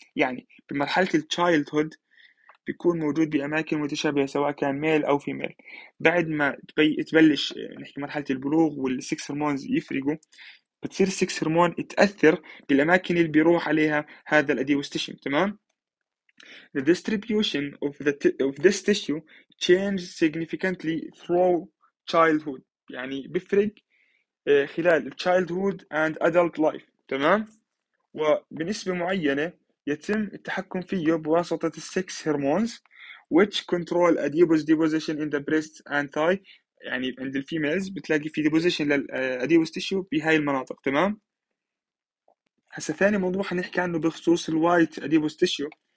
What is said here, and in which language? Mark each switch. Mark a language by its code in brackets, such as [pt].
[ar] يعني بمرحله التشايلد هود بيكون موجود باماكن متشابهه سواء كان ميل او فيميل. بعد ما تبلش نحكي مرحله البلوغ وال 6 هرمونز يفرقوا، بتصير 6 هرمون تاثر بالاماكن اللي بيروح عليها هذا الاديبوس تيشو، تمام. [en] The distribution of this tissue changes significantly through childhood. [ar] يعني بفرق خلال [en] childhood and adult life. [ar] تمام؟ وبنسبة معينة يتم التحكم فيه بواسطة [en] the sex hormones, which control adipose deposition in the breast and thigh. [ar] يعني عند الفيميلز بتلاقي في deposition لل adipose tissue بهاي المناطق. تمام؟ هسا ثاني موضوع حنحكي عنه بخصوص [en] the white adipose tissue.